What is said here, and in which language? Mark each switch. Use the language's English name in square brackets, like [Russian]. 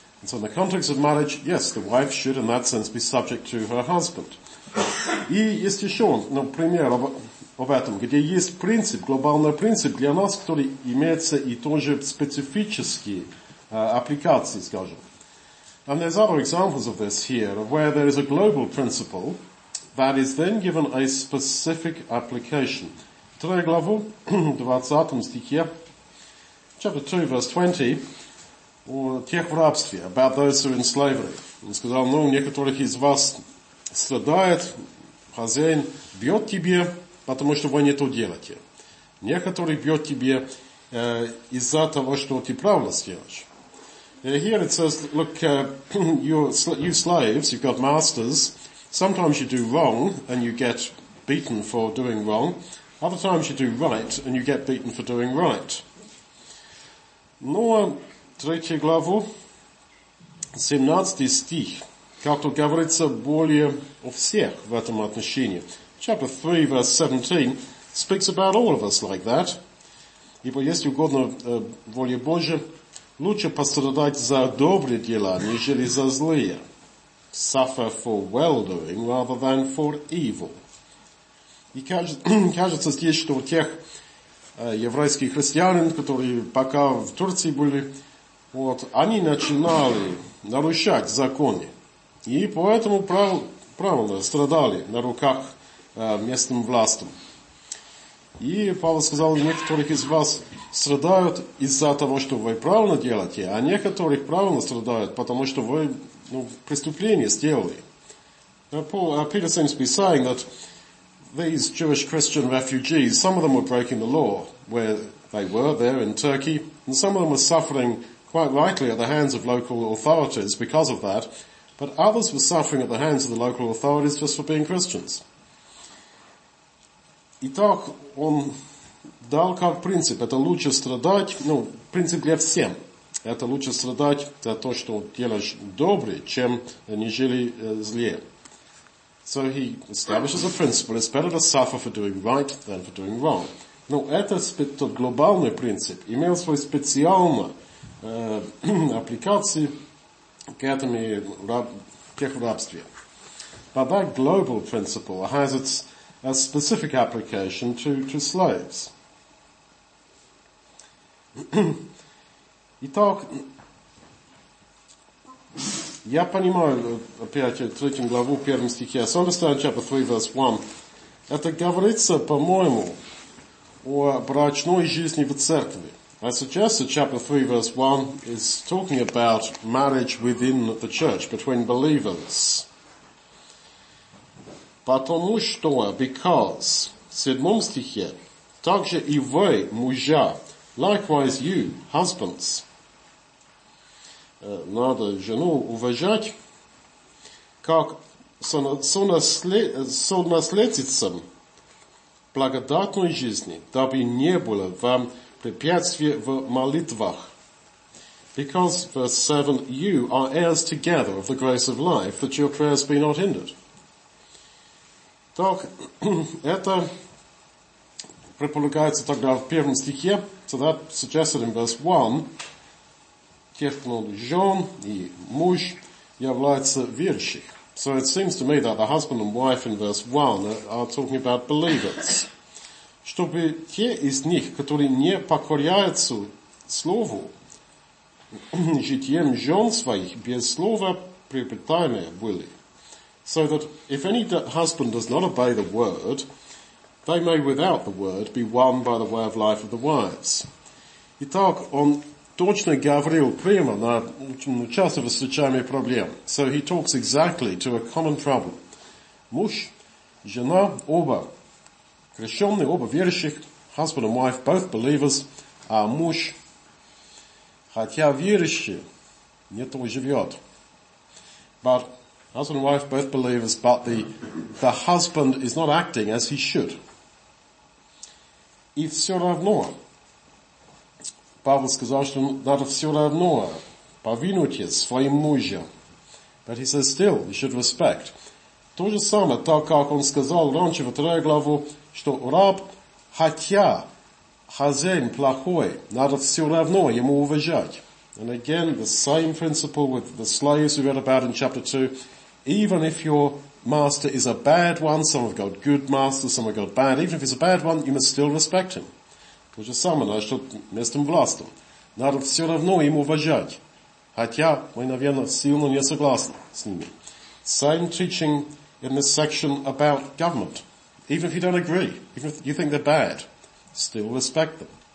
[English] And so in the context of marriage, yes, the wife should in that sense be subject to her husband. [Russian] И есть еще, например, об этом, где есть принцип, глобальный принцип для нас, который имеется и тоже специфические аппликации, скажем. [English] And there's other examples of this here, where there is a global principle that is then given a specific application. [Russian] 3 главу, 20 стихе, [English] chapter 2, verse 20, [Russian] о тех в рабстве, [English] about those who are in slavery. [Russian] Он сказал, ну, некоторых из вас страдает, хозяин бьет тебе, потому что вы не то делаете. Некоторые бьют тебе из-за того, что ты правильно сделаешь. [English] Here it says, look, you slaves, you've got masters. Sometimes you do wrong and you get beaten for doing wrong. Other times you do right and you get beaten for doing right. [Russian] Ну, 3 главу, 17 стих. Как-то говорится более о всех в этом отношении. [English] Chapter 3, verse 17, speaks about all of us like that. [Russian] Ибо, если угодно воле Божия, лучше пострадать за добрые дела, нежели за злые. [English] Suffer for well-doing rather than for evil. [Russian] И кажется здесь, что у тех еврейских христианин, которые пока в Турции были, вот, они начинали нарушать законы. И поэтому правильно страдали на руках местным властям. И Павел сказал, некоторых из вас страдают из-за того, что вы правильно делаете, а некоторых правильно страдают, потому что вы преступление сделали. [English] Peter seems to be saying that these Jewish Christian refugees, some of them were breaking the law where they were there in Turkey, and some of them were suffering quite rightly at the hands of local authorities because of that, but others were suffering at the hands of the local authorities just for being Christians. [Russian] Итак, он дал как принцип, это лучше страдать, принцип для всем. Это лучше страдать за то, что делаешь добрый, чем нежели злее. [English] So he establishes a principle, it's better to suffer for doing right than for doing wrong. [Russian] Но этот глобальный принцип имел свой специальный аппликации к этому рабству. [English] But that global principle has its a specific application to slaves. [Russian] Итак, я понимаю, опять, 3 главу, 1 стихе. [English] So understand chapter 3, verse 1. [Russian] Это говорится, по-моему, о брачной жизни в церкви. [English] I suggest that chapter 3, verse 1 is talking about marriage within the church, between believers. [Russian] Потому что, [English] because, [Russian] в 7 стихе, также и вы, мужа, [English] likewise you, husbands, [Russian] надо жену уважать, как сонаследицам благодатной жизни, дабы не было вам препятствий в молитвах. [English] Because, verse 7, you are heirs together of the grace of life, that your prayers be not hindered. [Russian] Так, это предполагается тогда в первом стихе, [English] so that suggested in verse 1, [Russian] тех, кто жен и муж, является верующих. [English] So it seems to me that the husband and wife in verse 1 are talking about believers. [Russian] Чтобы те из них, которые не покоряются слову, житием жен своих, без слова приобретаемые были. [English] So that if any husband does not obey the word, they may without the word be won by the way of life of the wives. [Russian] Итак, он точно говорил прямо на часто встречаемые проблемы. [English] So he talks exactly to a common problem. [Russian] Муж, жена, оба крещенные, оба верующих, [English] husband and wife, both believers, [Russian] а муж, хотя верующий, не то живет. [English] But husband and wife, both believers, but the husband is not acting as he should. [Russian] И все равно, Павел сказал, что надо все равно повинуйтесь своим мужьям. [English] But he says still, you should respect. [Russian] То же самое, так как он сказал раньше, во вторую главу, что раб, хотя хозяин плохой, надо все равно ему уважать. [English] And again, the same principle with the slaves we read about in chapter 2. Even if your master is a bad one, some have got good masters, some have got bad, even if he's a bad one, you must still respect him. [Russian] То же самое, на что местом властом. Надо все равно ему уважать. Хотя мы, наверное, сильно не согласны с ними. [English] Same teaching in this section about government. Even if you don't agree, even if you think they're bad, still respect them.